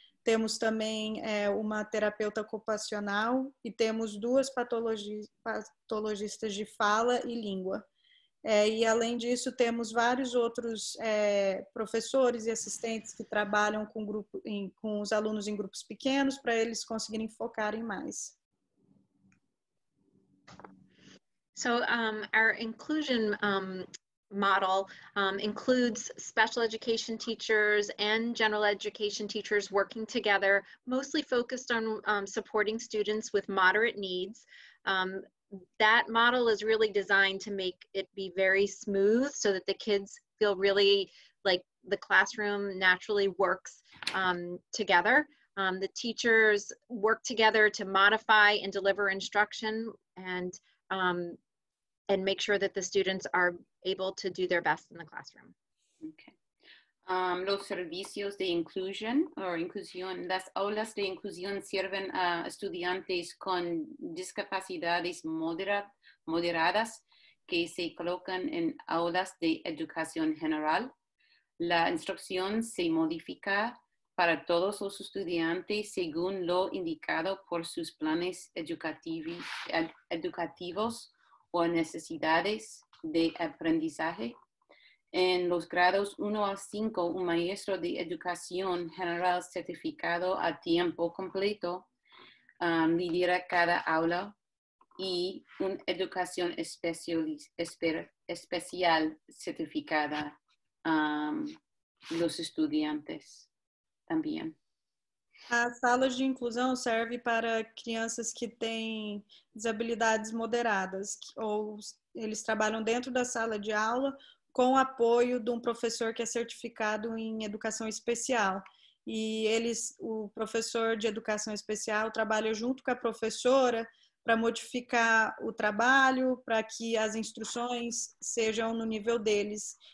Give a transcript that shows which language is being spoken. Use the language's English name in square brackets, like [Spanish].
[Portuguese] Temos também uma terapeuta ocupacional e temos 2 patologistas de fala e língua. E além disso, temos vários outros professores e assistentes que trabalham com grupo, com os alunos em grupos pequenos para eles conseguirem focarem mais. [English] So our inclusion model includes special education teachers and general education teachers working together, mostly focused on supporting students with moderate needs. That model is really designed to make it be very smooth so that the kids feel really like the classroom naturally works together. The teachers work together to modify and deliver instruction and make sure that the students are able to do their best in the classroom. Okay. [Spanish] Los servicios de inclusión or inclusión, las aulas de inclusión sirven a estudiantes con discapacidades moderadas que se colocan en aulas de educación general. La instrucción se modifica para todos los estudiantes según lo indicado por sus planes educativos o necesidades de aprendizaje. En los grados 1 a 5, un maestro de educación general certificado a tiempo completo lidera cada aula y una educación especial certificada los estudiantes también. [Portuguese] As salas de inclusão servem para crianças que têm desabilidades moderadas, ou eles trabalham dentro da sala de aula com apoio de um professor que é certificado em educação especial. E eles, o professor de educação especial trabalha junto com a professora para modificar o trabalho, para que as instruções sejam no nível deles.